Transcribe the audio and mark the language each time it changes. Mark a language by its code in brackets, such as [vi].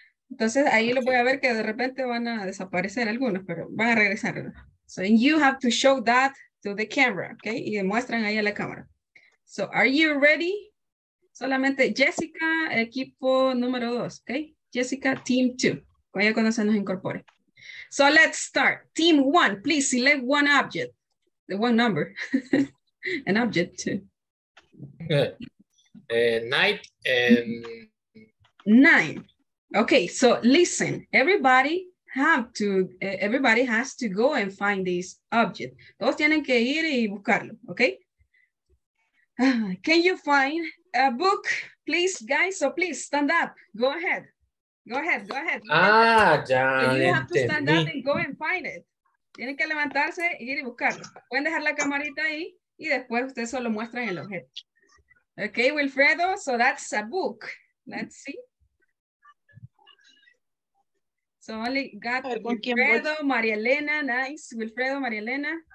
[es] Entonces ahí lo voy a ver que de repente van a desaparecer algunos, pero van a regresar. [en] So and you have to show that to the camera, okay? [es] Y demuestran ahí a la cámara. [en] So are you ready? [es] Solamente Jessica, equipo número dos, okay? Jessica, [en] team two. [es] Vaya cuando se nos incorpore. [en] So let's start. Team one, please select one object. The one number. An object too. Night and... Nine. Okay, so listen, everybody has to go and find this object. [es] Todos tienen que ir y buscarlo, [en] okay? Can you find a book, please, guys? So please, stand up. Go ahead. Go ahead, go ahead. [es] Ah, ya. [en] You have to stand up and go and find it. [es] Tienen que levantarse y ir y buscarlo. Pueden dejar la camarita ahí y después ustedes solo muestran el objeto. [en] Okay, Wilfredo, so that's a book. Let's see. So only got Wilfredo, María Elena, nice. Wilfredo, María Elena.